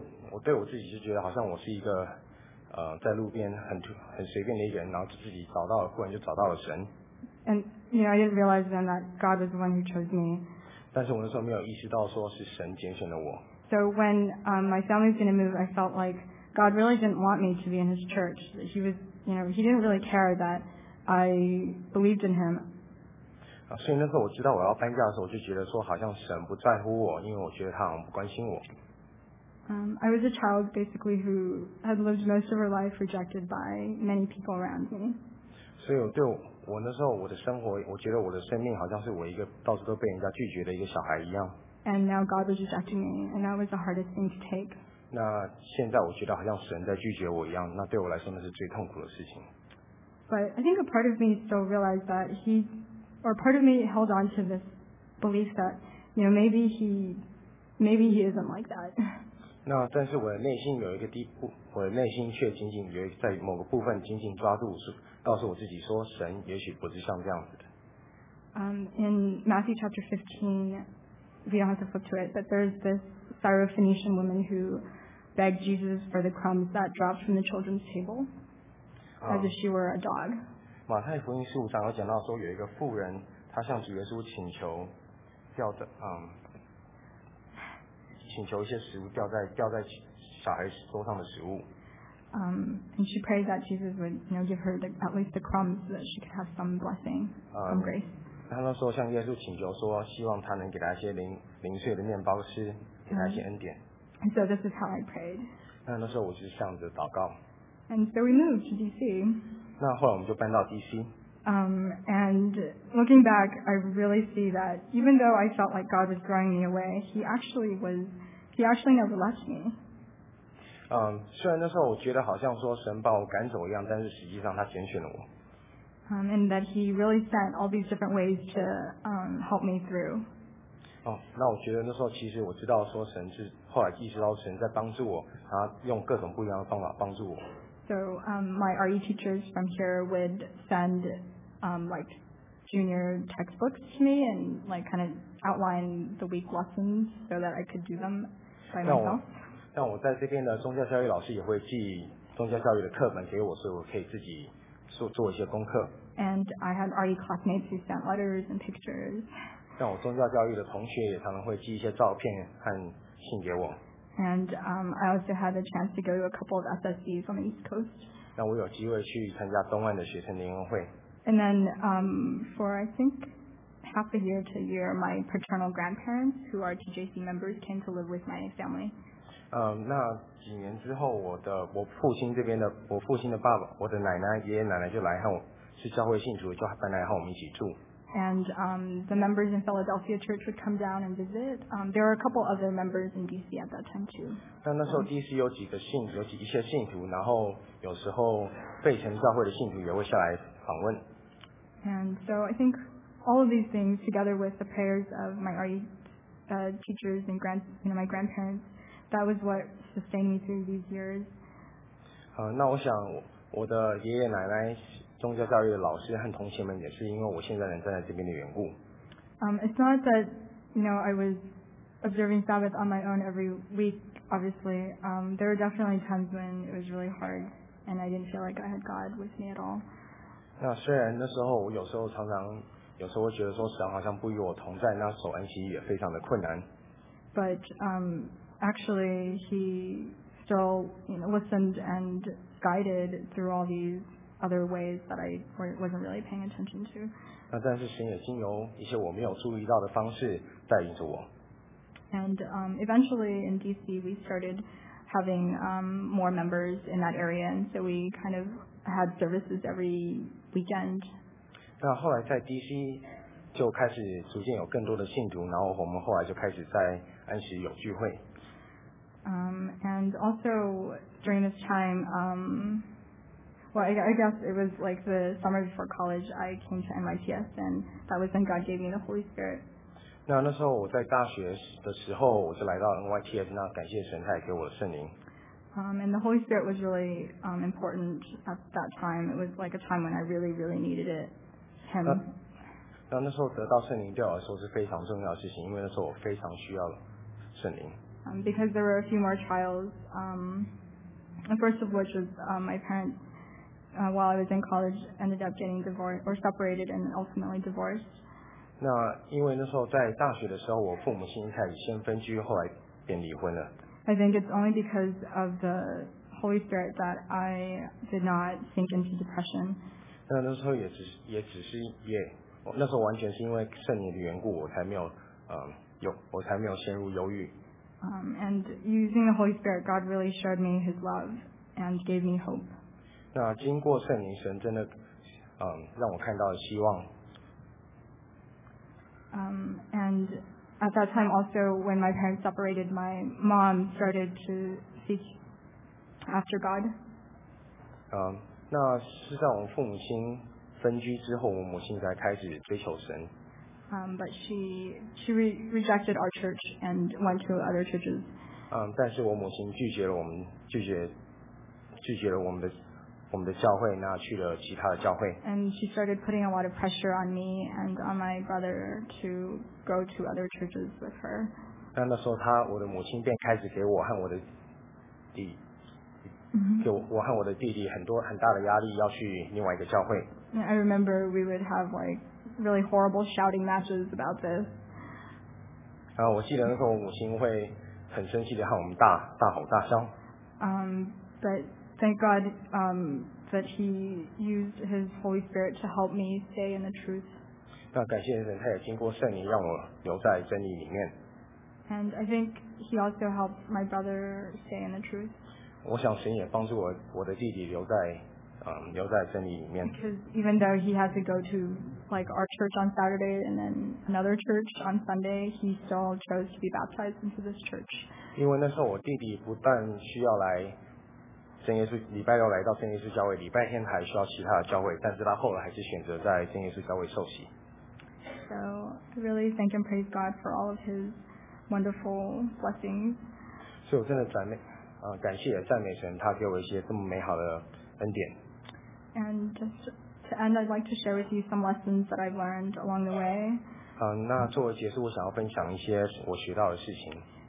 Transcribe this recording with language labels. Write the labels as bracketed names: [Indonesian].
[Chinese] 我对我自己就觉得好像我是一个。在路边很随便的一个人，然后自己找到了，忽然就找到了神。 [English] And you know, I didn't realize then that God was the one who chose me. [Chinese] 但是我那时候没有意识到说是神拣选了我。 [English] So when my family was going to move, I felt like God really didn't want me to be in His church. He was, you know, He didn't really care that I believed in Him. [Chinese] 所以那时候我知道我要搬家的时候，我就觉得说好像神不在乎我，因为我觉得他好像不关心我。 [English] I was a child basically who had lived most of her life rejected by many people around me. [Chinese] 所以对我那时候我的生活，我觉得我的生命好像是我一个到处都被人家拒绝的一个小孩一样。 [English] And now God was rejecting me, and that was the hardest thing to take. [Chinese] 那现在我觉得好像神在拒绝我一样，那对我来说那是最痛苦的事情。 [English] But I think a part of me still realized that he, or part of me held on to this belief that, you know, maybe he isn't like that. [Chinese] 那但是我的内心有一个地步，我的内心却紧紧有在某个部分紧紧抓住，告诉我自己说，神也许不是像这样子的。 [English] In Matthew chapter 15, we don't have to flip to it, but there's this Syrophoenician woman who begged Jesus for the crumbs that dropped from the children's table, as if she were a dog. [Chinese] 马太福音十五章有讲到说，有一个妇人，她向主耶稣请求，掉的，请求一些食物掉在小孩桌上的食物。 [English] And she prayed that Jesus would, you know, give her the, at least the crumbs so that she could have some blessing, some grace. [Chinese] 她那时候向耶稣请求说，希望他能给她一些零碎的面包吃，给她一些恩典。 [English] And so this is how I prayed. [Chinese] 那时候我就是这样子祷告。 [English] And so we moved to D.C. [Chinese] 那后来我们就搬到 D.C. [English] And looking back, I really see that even though I felt like God was throwing me away, He actually never left me. [Chinese] 虽然那时候我觉得好像说神把我赶走一样，但是实际上他拣选了我。 [English] And that He really sent all these different ways to help me through. [Chinese] 那我觉得那时候其实我知道说神是后来意识到神在帮助我，他用各种不一样的方法帮助我。 [English] So my RE teachers from here would send like junior textbooks to me and like kind of outline the week lessons so that I could do them by myself. [Chinese] 那我在这边的宗教教育老师也会寄宗教教育的课本给我，所以我可以自己做一些功课。 [English] And I had RE classmates who sent letters and pictures. [Chinese] 像我宗教教育的同学也常常会寄一些照片和信给我。 [English] And I also had a chance to go to a couple of SSCs on the East Coast. [Chinese] 那我有机会去参加东岸的学生联欢会。 [English] And then for I think half a year to a year, my paternal grandparents, who are TJC members, came to live with my family. [Chinese] 那几年之后，我父亲的爸爸，我的奶奶、爷爷奶奶就来和我是教会信徒，就搬来和我们一起住。 [English] And the members in Philadelphia Church would come down and visit. There were a couple other members in D.C. at that time, too. [Chinese] 但那时候 D.C. 有几个信徒，有几一些信徒，然后有时候费城教会的信徒也会下来访问。 [English] And so I think all of these things, together with the prayers of my RE teachers and my grandparents, that was what sustained me through these years. [Chinese] 那我想我的爷爷奶奶宗教教育的老师和同学们也是因为我现在能站在这边的缘故。 [English] It's not that, you know, I was observing Sabbath on my own every week, obviously. There were definitely times when it was really hard and I didn't feel like I had God with me at all. [Chinese] 那虽然那时候我有时候常常会觉得说神好像不与我同在，那守安息也非常的困难。 [English] But actually he still, you know, listened and guided through all these other ways that I wasn't really paying attention to. [Chinese] 那但是神也经由一些我没有注意到的方式带领着我。 [English] And eventually in D.C. we started having more members in that area, and so we kind of had services every weekend. [Chinese] 那后来在 D.C. 就开始逐渐有更多的信徒，然后我们后来就开始在安息有聚会。 [English] And also during this time, Well, I guess it was like the summer before college, I came to MITS, and that was when God gave me the Holy Spirit. [Chinese] 那时候我在大学的时候，我就来到 MITS， 那感谢神，他也给我的圣灵。 [English] And the Holy Spirit was really important at that time. It was like a time when I really, really needed it. Him. [Chinese] 那时候得到圣灵对我来说是非常重要的事情，因为那时候我非常需要圣灵。 [English] Because there were a few more trials, the first of which was my parents. While I was in college, ended up getting divorced or separated and ultimately divorced. [Chinese] 那因为那时候在大学的时候，我父母亲一开始先分居，后来便离婚了。 [English] I think it's only because of the Holy Spirit that I did not sink into depression. [Chinese] 那时候也只是那时候完全是因为圣灵的缘故，我才没有陷入忧郁。 [English] And using the Holy Spirit, God really showed me His love and gave me hope. [Chinese] 那经过圣灵，神真的，让我看到了希望。 [English] And at that time also, when my parents separated, my mom started to seek after God. [Chinese] 那是在我们父母亲分居之后，我母亲才开始追求神。 [English] But she rejected our church and went to other churches. [Chinese] 但是我母亲拒绝了我们，拒绝了我们的教会，那去了其他的教会。 [English] And she started putting a lot of pressure on me and on my brother to go to other churches with her. [Chinese] 但那时候我的母亲便开始给我和我的弟，给我和我的弟弟很多很大的压力，要去另外一个教会。 [English] I remember we would have like. Really horrible shouting matches about this. [Chinese] 然后我记得那时候母亲会很生气的和我们大吼大笑。 [English] But thank God, that he used his Holy Spirit to help me stay in the truth. [Chinese] 那感谢神，他也经过圣灵让我留在真理里面。 [English] And I think he also helped my brother stay in the truth. [Chinese] 我想神也帮助我的弟弟留在真理里面。 [English] Because even though he has to go to like our church on Saturday and then another church on Sunday, he still chose to be baptized into this church. [Chinese] 因为那时候我弟弟不但需要来圣耶稣礼拜六来到圣耶稣教会，礼拜天还需要其他的教会，但是他后来还是选择在圣耶稣教会受洗。 [English] So I really thank and praise God for all of His wonderful blessings. [Chinese] 所以我真的赞美，感谢赞美神，他给我一些这么美好的恩典。 [English] And just to end, I'd like to share with you some lessons that I've learned along the way. [Chinese] 那作为结束，我想要分享一些我学到的事情。